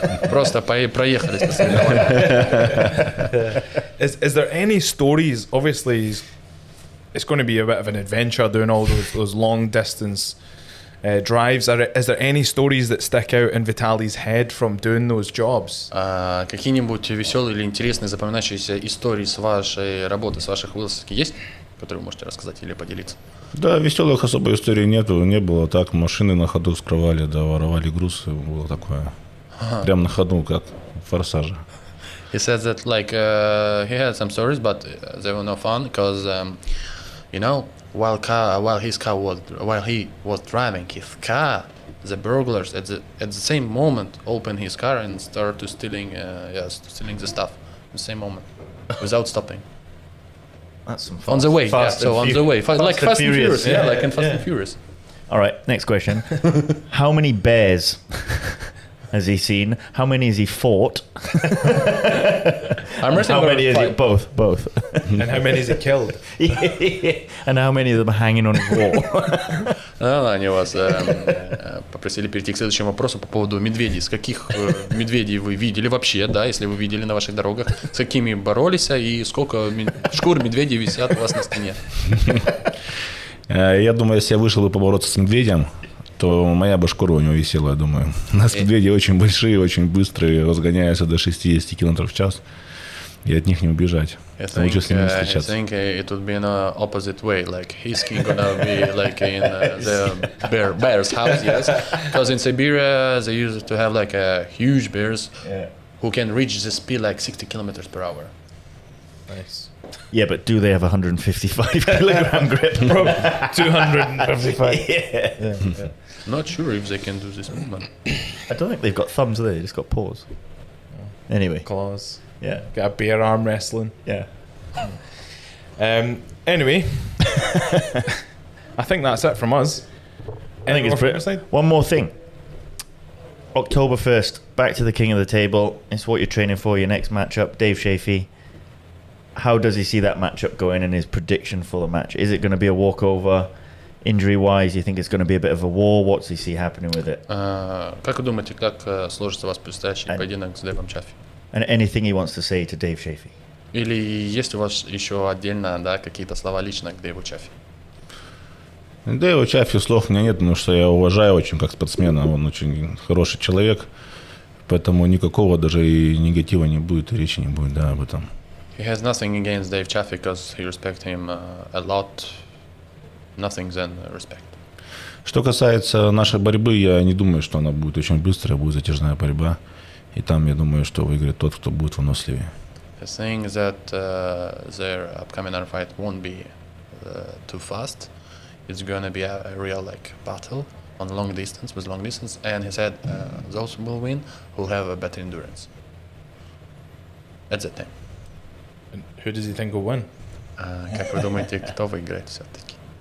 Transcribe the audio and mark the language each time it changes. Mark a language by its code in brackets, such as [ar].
[ru] Просто проехали. [en] Is there any stories, obviously, it's going to be a bit of an adventure doing all those long distance drives. Is there any stories that stick out in Vitaly's head from doing those jobs? [ru] Какие-нибудь веселые или интересные запоминающиеся истории с вашей работы, с ваших вылазок есть, которые вы можете рассказать или поделиться? Да, веселых особо историй нету, не было так. Машины на ходу скрывали, да, воровали груз, было такое. Uh-huh. Прям на ходу, как в форсаже. [en] He said that like he had some stories, but they were no fun because, you know, while he was driving his car, the burglars at the same moment opened his car and started stealing the stuff, at the same moment, without stopping. That's some fun. On the way, Fast and Furious. All right, next question. How many bears has he seen? How many has he fought? I'm wrestling. How many is it? Both. And how many is he killed? And how many of them are hanging on his wall? [ru] Они вас попросили перейти к следующему вопросу по поводу медведей. С каких медведей вы видели вообще, да, если вы видели на ваших дорогах? С какими боролись и сколько шкур медведей висят у вас на стене? Я думаю, если я вышел бы побороться с медведем, то моя бы шкура у него висела, я думаю. У нас медведи очень большие, очень быстрые, разгоняются до 60 км в час, и от них не убежать. Я лучше с ними встречаться. [en] I think it would be in a opposite way, like his king gonna be like in the bear's house, yes. Because in Siberia they used to have like a huge bears, who can reach the speed like 60 kilometers per hour. Nice. Yeah, but do they have 155 kilogram grip? 255. Yeah. Yeah. Not sure if they can do this movement. I don't think they've got thumbs, they just got paws. Anyway. Claws. Yeah. Got a bear arm wrestling. Yeah. Anyway. I think that's it from us. Anything I think it's pretty. One more thing. October 1st, back to the King of the Table. It's what you're training for, your next matchup, Dave Chaffee. How does he see that matchup going and his prediction for the match? Is it going to be a walkover? Injury-wise, you think it's going to be a bit of a war? What's he see happening with it? [ru] Как вы думаете, как сложится у вас предстоящий поединок с Дэвом Чаффи? [en] And anything he wants to say to Dave Chaffee? [ru] Или есть у вас еще отдельно, да, какие-то слова лично к Дэву Чаффи? Дэву Чаффи слов у меня нет, потому что я уважаю очень как спортсмена, он очень хороший человек, поэтому никакого даже и негатива не будет, и речи не будет, да, об этом. [en] He has nothing against Dave Chaffee because he respects him a lot. Nothing than respect. [ru] Что касается нашей борьбы, я не думаю, что она будет очень быстрая, будет затяжная борьба, и там я думаю, что выиграет тот, кто будет выносливее. [en] The thing is that their upcoming arm fight won't be too fast. It's going to be a real like battle on long distance with long distance, and he said those who will win will have a better endurance at that time. And who does he think will win? [ru] Как вы думаете, кто выиграет все-таки?